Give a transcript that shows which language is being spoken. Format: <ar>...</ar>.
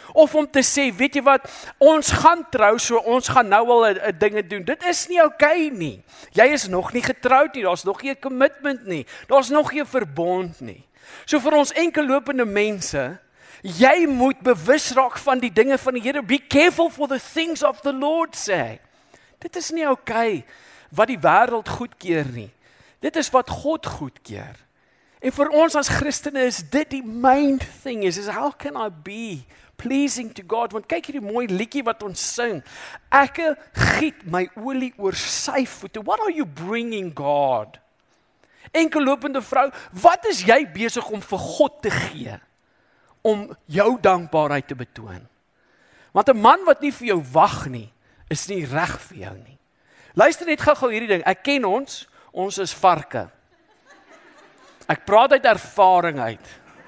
<af>Of om te sê, weet jy wat, ons gaan trou, so ons gaan nou al dinge doen. Dit is nie okay nie. Jy is nog nie getroud nie, daar is nog nie 'n commitment nie, daar is nog nie 'n verbond nie. So vir ons enkellopende mense, jy moet bewus raak van die dinge van die Here.</af> <en>Be careful for the things of the Lord, sê.</en> <af>Dit is nie okay wat die wêreld goedkeur nie. Dit is wat God goedkeur. En vir ons as Christene is dit die</af> <en>main thing is how can I be pleasing to God?</en> <af>Want kyk hierdie mooi liedjie wat ons sing. Ek giet my olie oor sy voete.</af> <en>What are you bringing God?</en> <af>Enkellopende vrou, wat is jy besig om vir God te gee? Om jou dankbaarheid te betoon. Want 'n man wat nie vir jou wag nie, is nie reg vir jou nie. Luister net gou-gou hierdie ding. Ek ken ons, ons is varke. Ek praat uit ervaring uit.</af>